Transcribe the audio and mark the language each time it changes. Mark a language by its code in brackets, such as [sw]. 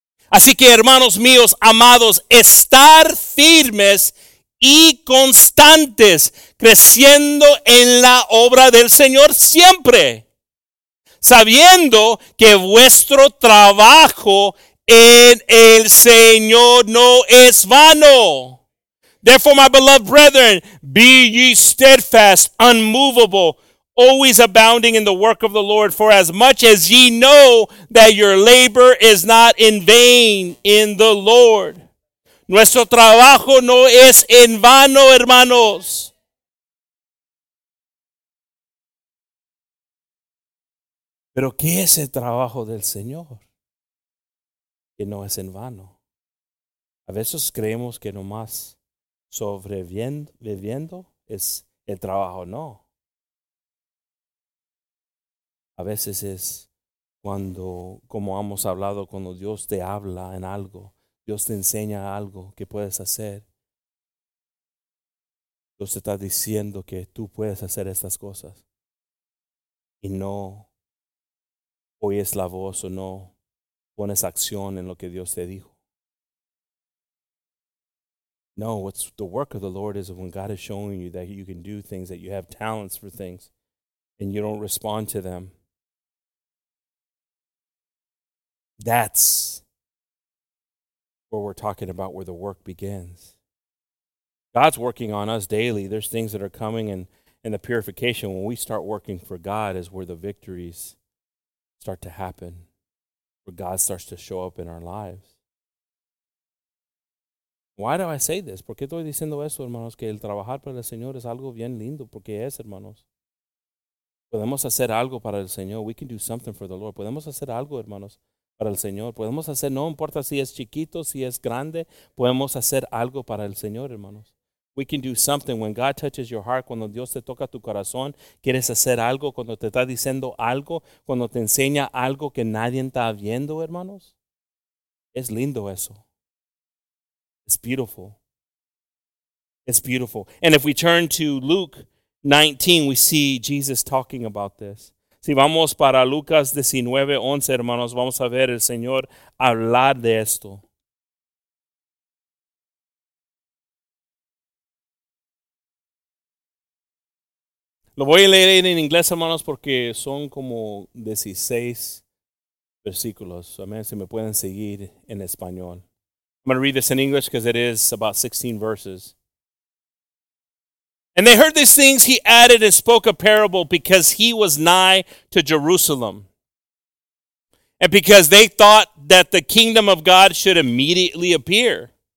[es] Así que, hermanos míos, amados, estar firmes y constantes, creciendo en la obra del Señor siempre, sabiendo que vuestro trabajo en el Señor no es vano. [en] Therefore, my beloved brethren, be ye steadfast, unmovable, always abounding in the work of the Lord, for as much as ye know that your labor is not in vain in the Lord. Nuestro trabajo no es en vano, hermanos. Pero ¿qué es el trabajo del Señor? Que no es en vano. A veces creemos que nomás sobreviviendo es el trabajo. No. A veces es cuando, como hemos hablado, cuando Dios te habla en algo, Dios te enseña algo que puedes hacer. Dios te está diciendo que tú puedes hacer estas cosas. Y no oyes la voz o no pones acción en lo que Dios te dijo. No, what's the work of the Lord is when God is showing you that you can do things, that you have talents for things, and you don't respond to them. That's where we're talking about, where the work begins. God's working on us daily. There's things that are coming in the purification. When we start working for God is where the victories start to happen, where God starts to show up in our lives. Why do I say this? [es] ¿Por qué estoy diciendo esto, hermanos? Que el trabajar para el Señor es algo bien lindo, porque es, hermanos. Podemos hacer algo para el Señor. [en] We can do something for the Lord. [es] Podemos hacer algo, hermanos. Para el Señor, podemos hacer, no importa si es chiquito, si es grande, podemos hacer algo para el Señor, hermanos. [en] We can do something. [es] When God touches your heart, cuando Dios te toca tu corazón, quieres hacer algo, cuando te está diciendo algo, cuando te enseña algo que nadie está viendo, hermanos. Es lindo eso. [en] It's beautiful. It's beautiful. And if we turn to Luke 19, we see Jesus talking about this. [es] Si vamos para Lucas 19:11, hermanos, vamos a ver el Señor hablar de esto. Lo voy a leer en inglés, hermanos, porque son como 16 versículos. Amén. Si me pueden seguir en español. [en] I'm going to read this in English because it is about 16 verses. And they heard these things, he added, and spoke a parable, because he was nigh to Jerusalem. And because they thought that the kingdom of God should immediately appear.